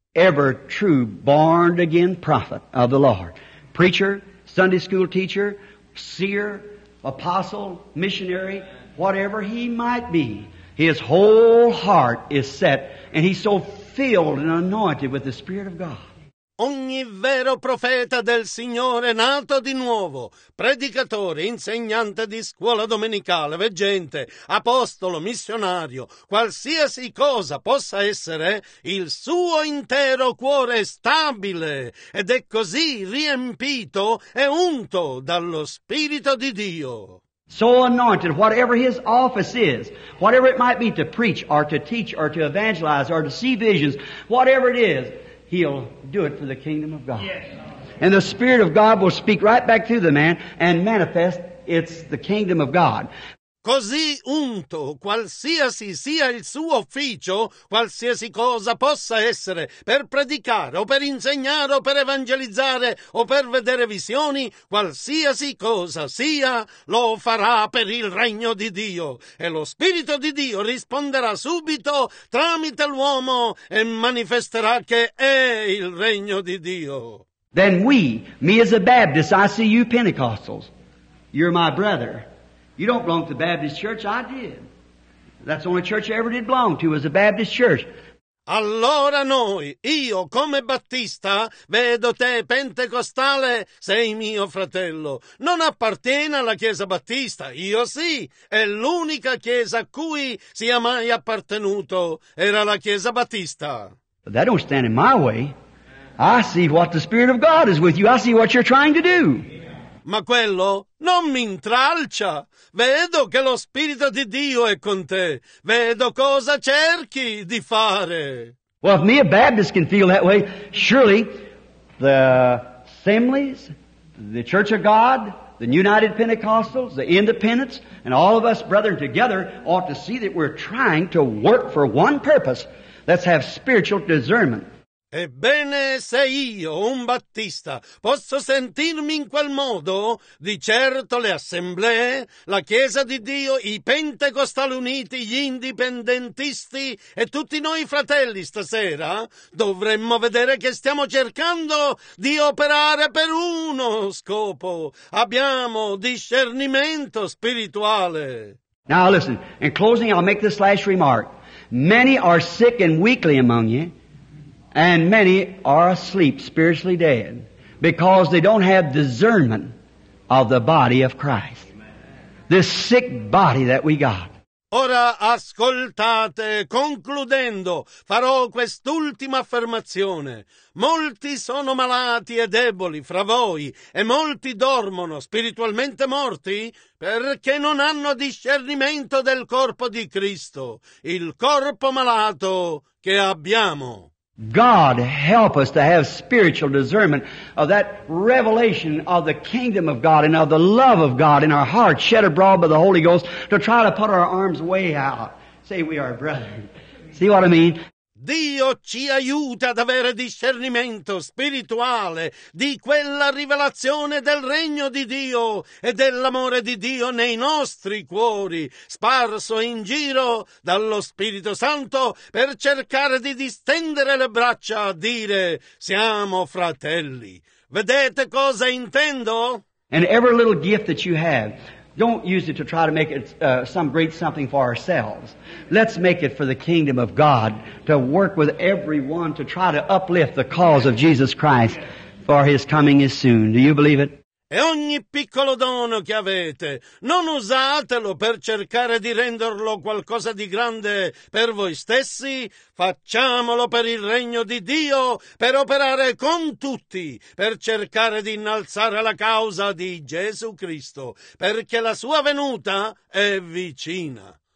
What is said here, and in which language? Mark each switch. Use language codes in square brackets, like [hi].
[en] Ever true born again prophet of the Lord. Preacher, Sunday school teacher, seer, apostle, missionary, whatever he might be. His whole heart is set and he's so filled and anointed with the Spirit of God. [it] Ogni vero profeta del Signore nato di nuovo, predicatore, insegnante di scuola domenicale, veggente, apostolo, missionario, qualsiasi cosa possa essere, il suo intero cuore è stabile ed è così riempito e unto dallo Spirito di Dio. [en] so anointed, whatever his office is, whatever it might be, to preach or to teach or to evangelize or to see visions, whatever it is, he'll do it for the kingdom of God. And the Spirit of God will speak right back to the man and manifest it's the kingdom of God. [it] Così unto, qualsiasi sia il suo ufficio, qualsiasi cosa possa essere, per predicare o per insegnare o per evangelizzare o per vedere visioni, qualsiasi cosa sia, lo farà per il regno di Dio. E lo Spirito di Dio risponderà subito tramite l'uomo e manifesterà che è il regno di Dio. [en] Then we, me as a Baptist, I see you Pentecostals. You're my brother. You don't belong to the Baptist church, I did. That's the only church I ever did belong to, was the Baptist church. [it] Allora noi, io come Battista, vedo te Pentecostale, sei mio fratello. Non appartiene alla Chiesa Battista, io sì. È l'unica Chiesa a cui sia mai appartenuto, era la Chiesa Battista. [en] But that don't stand in my way. I see what the Spirit of God is with you, I see what you're trying to do. [it] Ma quello non mi intralcia. Vedo che lo Spirito di Dio è con te. Vedo cosa cerchi di fare. [en] Well, if me a Baptist can feel that way, surely the assemblies, the Church of God, the United Pentecostals, the Independents, and all of us brethren together ought to see that we're trying to work for one purpose. Let's have spiritual discernment. [it] Ebbene, se io, un Battista, posso sentirmi in quel modo, di certo le assemblee, la Chiesa di Dio, i Pentecostali Uniti, gli Indipendentisti e tutti noi fratelli stasera, dovremmo vedere che stiamo cercando di operare per uno scopo. Abbiamo discernimento spirituale. [en] Now listen, in closing I'll make this last remark. Many are sick and weakly among you. And many are asleep, spiritually dead, because they don't have discernment of the body of Christ. This sick body that we got. [it] Ora ascoltate, concludendo, farò quest'ultima affermazione. Molti sono malati e deboli fra voi, e molti dormono spiritualmente morti, perché non hanno discernimento del corpo di Cristo, il corpo malato che abbiamo. [en] God help us to have spiritual discernment of that revelation of the kingdom of God and of the love of God in our hearts shed abroad by the Holy Ghost to try to put our arms way out. Say we are brethren. See what I mean? [it] Dio ci aiuta ad avere discernimento spirituale di quella rivelazione del regno di Dio e dell'amore di Dio nei nostri cuori, sparso in giro dallo Spirito Santo per cercare di distendere le braccia a dire siamo fratelli. Vedete cosa intendo? [en] And every little gift that you have, don't use it to try to make it some great something for ourselves. Let's make it for the kingdom of God to work with everyone to try to uplift the cause of Jesus Christ, for his coming is soon. Do you believe it? [it] E ogni piccolo dono che avete, non usatelo per cercare di renderlo qualcosa di grande per voi stessi. Facciamolo per il regno di Dio, per operare con tutti, per cercare di innalzare la causa di Gesù Cristo, perché la sua venuta è vicina.